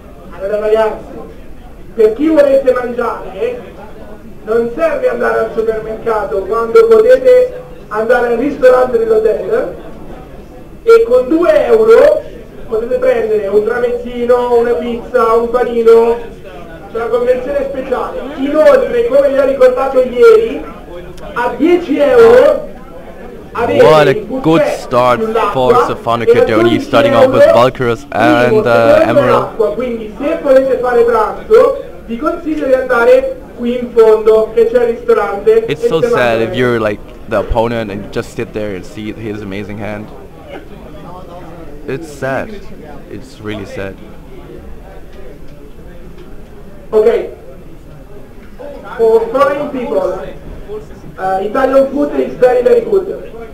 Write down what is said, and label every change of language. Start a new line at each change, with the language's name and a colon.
Italian: Allora, ragazzi, per chi volete mangiare, non serve andare al supermercato quando potete andare al ristorante dell'hotel e con 2 euro potete prendere un tramezzino, una pizza, un panino, c'è una convenzione speciale. Inoltre, come vi ho ricordato ieri, a 10 euro
English: what a good start for Stefano Cordoni, starting off with Valkyrus and Emerald.
Italian: Quindi se volete fare pranzo, vi consiglio di andare qui in fondo, che c'è il ristorante.
English: It's so sad if you're like the opponent and just sit there and see his amazing hand. It's sad. It's really sad. Okay. For foreign people, Italian food is very, very good.